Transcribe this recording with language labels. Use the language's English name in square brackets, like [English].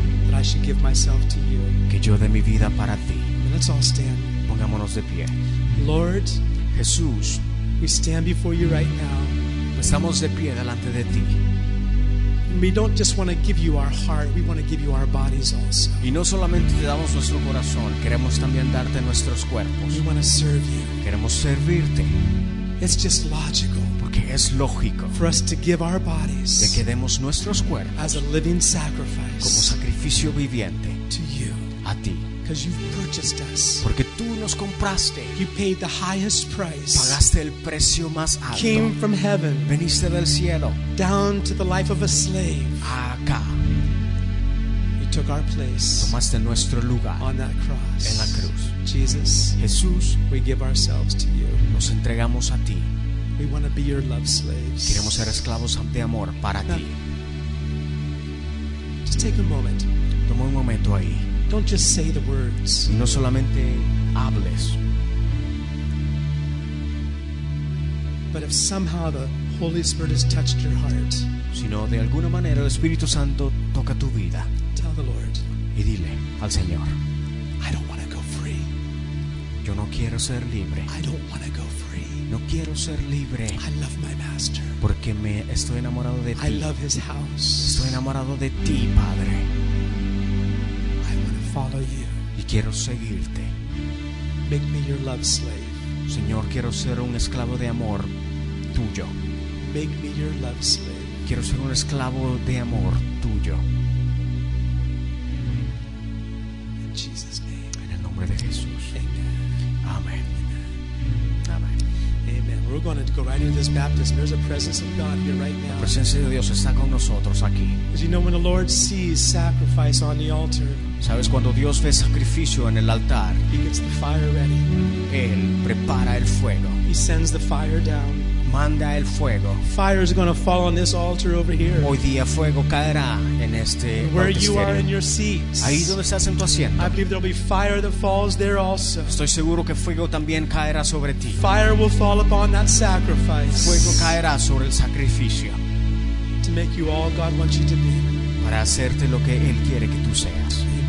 [English] That I should give myself to you. [Spanish] Que yo dé mi vida para ti. [English] Let's all stand. [Spanish] Pongámonos de pie. [English] Lord. [Spanish] Jesús. [English] We stand before you right now. [Spanish] Estamos de pie delante de ti. [English] We don't just want to give you our heart, we want to give you our bodies also. [Spanish] Y no solamente te damos nuestro corazón, queremos también darte nuestros cuerpos. [English] We want to serve you. [Spanish] Queremos servirte. [English] It's just logical. [Spanish] Porque es lógico. [English] For us to give our bodies. [Spanish] De que demos nuestros cuerpos. [English] As a living sacrifice. [Spanish] Como sacrificio viviente. [English] To you. [Spanish] A ti. [English] Because you purchased us. [Spanish] Porque tú nos compraste. [English] You paid the highest price. [Spanish] Pagaste el precio más alto. [English] Came from heaven. [Spanish] Veniste del cielo. [English] Down to the life of a slave. [Spanish] Acá. [English] You took our place. [Spanish] Tomaste nuestro lugar. [English] On that cross. [Spanish] En la cruz. [English] Jesus. [Spanish] Jesús. [English] We give ourselves to you. [Spanish] Nos entregamos a ti. [English] We want to be your love slaves. [Spanish] Queremos ser esclavos de amor para [English] now, [Spanish] ti. [English] Just take a moment. [Spanish] Toma un momento ahí. [English] Don't just say the words. [Spanish] Y no solamente hables. [English] But if somehow the Holy Spirit has touched your heart, [Spanish] sino de alguna manera el Espíritu Santo toca tu vida. [English] Tell the Lord. [Spanish] Y dile al Señor. [English] I don't want to go free. [Spanish] Yo no quiero ser libre. [English] I don't want to go free. [Spanish] No quiero ser libre. [English] I love my master. [Spanish] Porque me estoy enamorado de ti. [English] I love his house. [Spanish] Estoy enamorado de ti, Padre. [English] Follow you. [Spanish] Y quiero seguirte. [English] Make me your love slave. [Spanish] Señor, quiero ser un esclavo de amor tuyo. [English] Make me your love slave. [Spanish] Quiero ser un esclavo de amor tuyo. [English] In Jesus' name. [Spanish] En el nombre de Jesús. [English] Amen. [Spanish] Amen. [English] Amen. Amen. We're going to go right into this baptism. There's a presence of God here right now. [Spanish] La presencia de Dios está con nosotros aquí. [English] As you know, when the Lord sees sacrifice on the altar, [Spanish] ¿sabes? Cuando Dios ve sacrificio en el altar, [English] he gets the fire ready. [Spanish] Él prepara el fuego. [English] He sends the fire down. [Spanish] Manda el fuego. [English] Fire is going to fall on this altar over here. [Spanish] Hoy día fuego caerá en este [English] where you are in your seats. [Spanish] Ahí donde estás en tu asiento. [English] I believe there will be fire that falls there also. [Spanish] Estoy seguro que fuego también caerá sobre ti. [English] Fire will fall upon that sacrifice. [Spanish] Fuego caerá sobre el sacrificio. [English] To make you all God wants you to be. [Spanish] Para hacerte lo que Él quiere que tú seas.